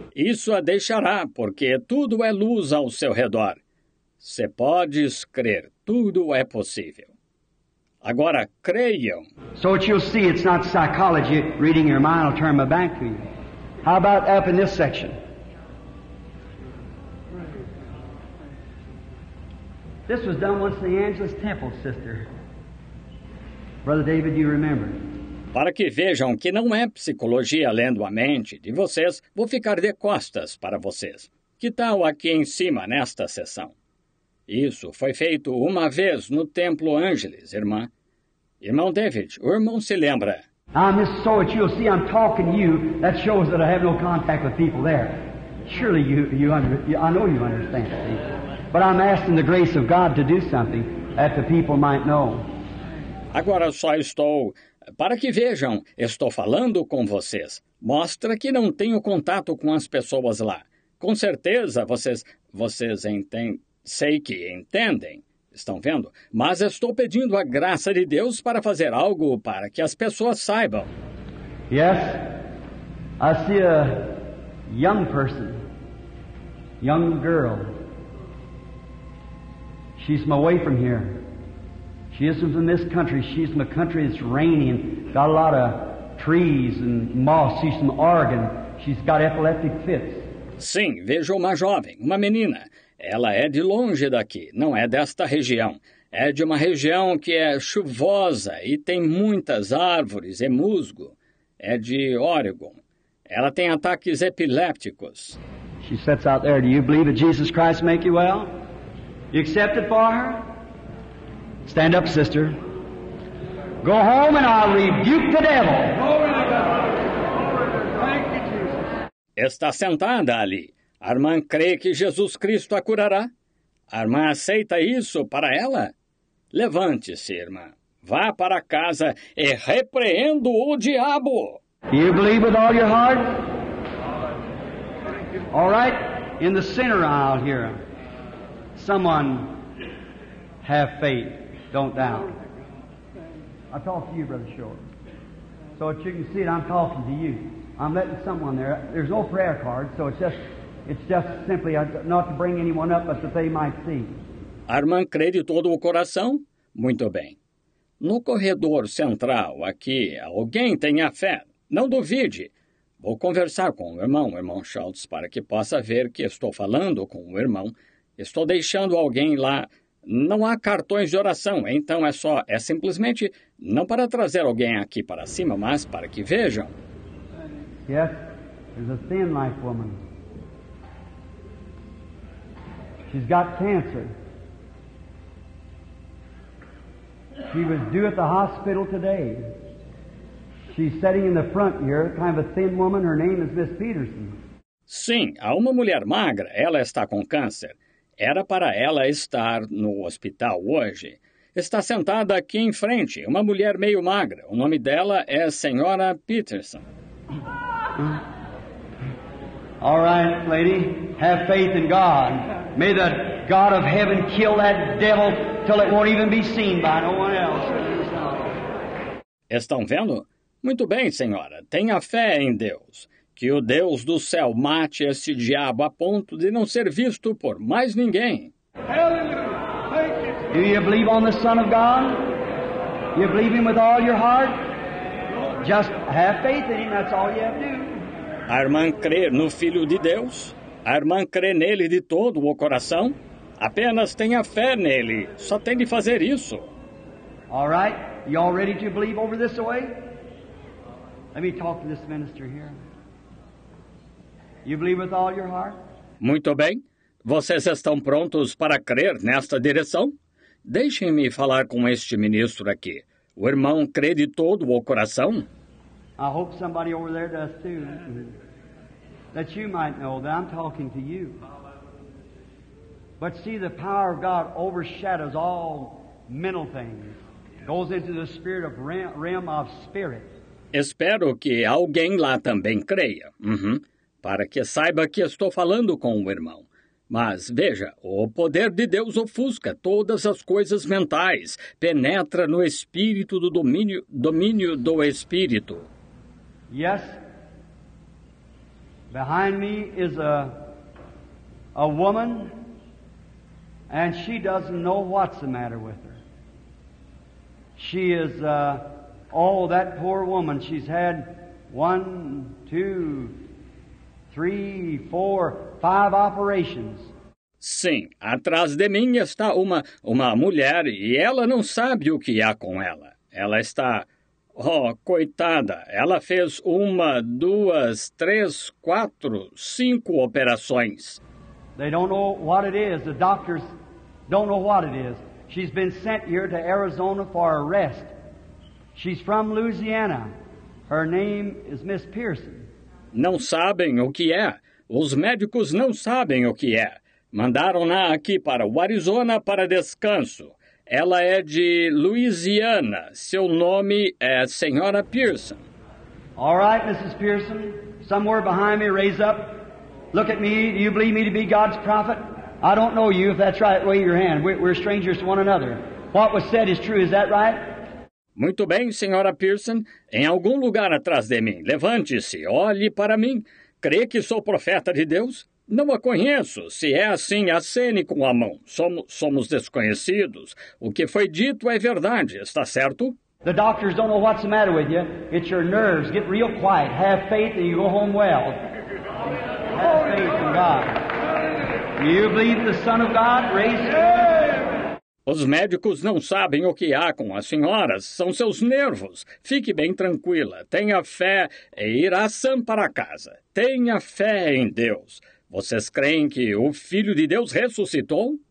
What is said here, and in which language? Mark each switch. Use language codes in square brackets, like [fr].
[pt] Isso a deixará, porque tudo é luz ao seu redor. Se podes crer, tudo é possível. Agora creiam. [en] So what you'll see, it's not psychology reading your mind will turn my back to you. How about up in this section? This was done once in the Angelus Temple, sister. Brother David, you remember. [pt] Para que vejam que não é psicologia lendo a mente de vocês, vou ficar de costas para vocês. Que tal aqui em cima, nesta sessão? Isso foi feito uma vez no Templo Angelus, irmã. Irmão David, o irmão se lembra. [en] Ah, Miss Sowitch, you'll see I'm talking to you. That shows that I have no contact with people there. Surely I know you understand, see? But I'm asking the grace of God to do something that the people might know. [pt] Agora só estou... Para que vejam, estou falando com vocês. Mostra que não tenho contato com as pessoas lá. Com certeza vocês entendem... Sei que entendem, estão vendo? Mas estou pedindo a graça de Deus para fazer algo para que as pessoas saibam. [en] Yes, I see a young person, young girl... She's from away from here. She isn't from this country. She's from a country that's raining, got a lot of trees and moss. She's from Oregon. She's got epileptic fits. [pt] Sim, vejo uma jovem, uma menina. Ela é de longe daqui, não é desta região. É de uma região que é chuvosa e tem muitas árvores e musgo. É de Oregon. Ela tem ataques epilépticos. [en] She sits out there. Do you believe that Jesus Christ make you well? You accept it for her? Stand up, sister. Go home and I'll rebuke the devil. Glory to God. Glory to God. Thank you, Jesus. [pt] Está sentada ali. A irmã crê que Jesus Cristo a curará? A irmã aceita isso para ela? Levante-se, irmã. Vá para casa e repreendo o diabo. [en] You believe with all your heart? All right, in the center aisle here, someone have faith, don't doubt. I talk to you, Brother Short. So that you can see it, I'm talking to you. I'm letting someone there. There's no prayer card, so it's just simply not to bring anyone up, but that they might see. [pt] A irmã crê de todo o coração? Muito bem. No corredor central, aqui, alguém tenha fé. Não duvide. Vou conversar com o irmão Schultz, para que possa ver que estou falando com o irmão. Estou deixando alguém lá. Não há cartões de oração, então é simplesmente, não para trazer alguém aqui para cima, mas para que vejam. [en] Yes, there's a thin life woman. She's got cancer. She was due at the hospital today. She's sitting in the front here, kind of a thin woman. Her name is Miss Peterson. [pt] Sim, há uma mulher magra. Ela está com câncer. Era para ela estar no hospital hoje. Está sentada aqui em frente, uma mulher meio magra. O nome dela é Senhora Peterson. [en] All right, lady. Have faith in God. May the God of heaven kill that devil till it won't even be seen by no one else. [pt] Estão vendo? Muito bem, senhora. Tenha fé em Deus. Que o Deus do céu mate esse diabo a ponto de não ser visto por mais ninguém. [en] Do you believe on the Son of God? You believe Him with all your heart? Just have faith in Him. That's all you have to do. [pt] A irmã crê no Filho de Deus? A irmã crê nele de todo o coração? Apenas tenha fé nele. Só tem de fazer isso. [en] All right. You all ready to believe over this way? Let me talk to this minister here. You believe with all your heart? [pt] Muito bem. Vocês estão prontos para crer nesta direção? Deixem-me falar com este ministro aqui. O irmão crê de todo o coração? [en] I hope somebody over there does too. That you might know that I'm talking to you. But see, the power of God overshadows all mental things. Goes into the spirit of realm of spirit. [pt] Espero que alguém lá também creia, para que saiba que estou falando com o irmão. Mas veja, o poder de Deus ofusca todas as coisas mentais, penetra no espírito do domínio do espírito. [en] Yes, behind me is a woman, and she doesn't know what's the matter with her. She is Oh, that poor woman, she's had 1, 2, 3, 4, 5 operations. [pt] Sim, atrás de mim está uma mulher e ela não sabe o que há com ela. Ela está, oh, coitada, ela fez 1, 2, 3, 4, 5 operações. [en] They don't know what it is. The doctors don't know what it is. She's been sent here to Arizona for a rest. She's from Louisiana. Her name is Miss Pearson. [pt] Não sabem o que é. Os médicos não sabem o que é. Mandaram-na aqui para o Arizona para descanso. Ela é de Louisiana. Seu nome é Senhora Pearson. [en] All right, Mrs. Pearson. Somewhere behind me, raise up. Look at me. Do you believe me to be God's prophet? I don't know you. If that's right, wave your hand. We're strangers to one another. What was said is true. Is that right? [pt] Muito bem, senhora Pearson. Em algum lugar atrás de mim, levante-se, olhe para mim. Crê que sou profeta de Deus? Não a conheço. Se é assim, acene com a mão. Somos desconhecidos. O que foi dito é verdade, está certo? [en] The doctors don't know what's the matter with you. It's your nerves. Get real quiet. Have faith and you go home well. Have faith in God. Do you believe the Son of God? Raise your hand. [pt] Os médicos não sabem o que há com as senhoras. São seus nervos. Fique bem tranquila. Tenha fé e irá sã para casa. Tenha fé em Deus. Vocês creem que o Filho de Deus ressuscitou?